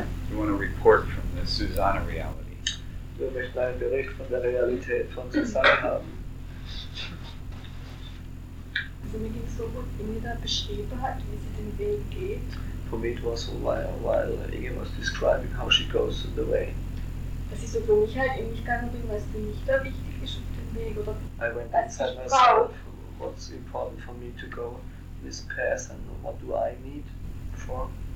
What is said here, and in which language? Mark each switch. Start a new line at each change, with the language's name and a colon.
English: We want to report from the Susanne reality.
German: Wir möchten einen Bericht von der Realität von Susanne haben. Also mir ging es so gut, wie mir da beschrieben hat, wie sie den Weg geht.
English: For me it was a while Inge was describing how she goes the way.
German: Dass ich so für mich halt eben nicht gegangen bin, weil es mir nicht da wichtig ist auf dem Weg, oder?
English: I went inside myself. What's important for me to go this path and what do I need for?